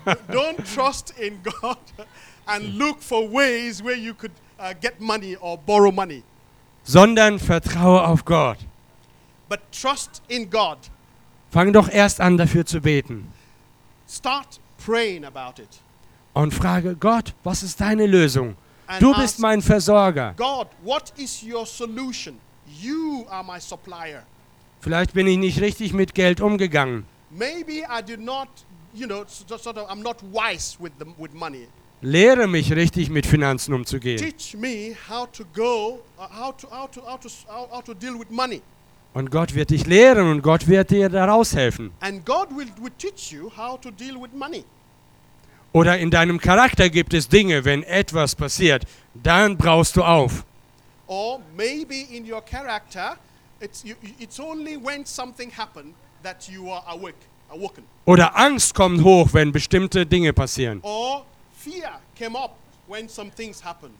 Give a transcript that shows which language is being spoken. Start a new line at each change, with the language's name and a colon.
English: Don't trust in God and look for ways where you could get money or borrow money.
German: Sondern vertraue auf Gott.
English: But trust in God.
German: Fang doch erst an, dafür zu beten.
English: Start praying about it.
German: Und frage Gott, was ist deine Lösung? Du bist mein Versorger.
English: God, what is your solution? You are my supplier.
German: Vielleicht bin ich nicht richtig mit Geld umgegangen.
English: Maybe I did not, you know, sort of, I'm not wise with money.
German: Lehre mich richtig mit Finanzen umzugehen.
English: Teach me how to go, how to deal with money.
German: Und Gott wird dich lehren und Gott wird dir daraus helfen.
English: And God will teach you how to deal with money.
German: Oder in deinem Charakter gibt es Dinge, wenn etwas passiert, dann brauchst du auf.
English: Or maybe in your character, it's only when something happened that you are awoken.
German: Oder Angst kommt hoch, wenn bestimmte Dinge passieren.
English: Or fear came up when some things happened.